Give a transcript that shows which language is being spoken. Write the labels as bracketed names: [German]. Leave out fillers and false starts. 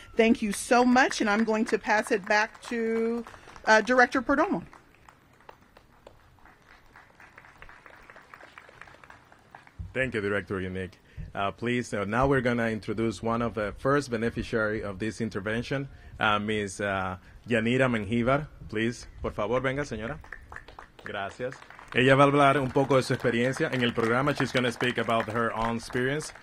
[English] Thank you so much, and I'm going to pass it back to Director Perdomo. Thank you, Director Unique. Please, now we're going to introduce one of the first beneficiary of this intervention, Ms. [Spanish] Yanira Menjivar. [English] Please, [Spanish] por favor, venga, señora. Gracias. Ella va a hablar un poco de su experiencia en el programa. [English] She's going to speak about her own experience.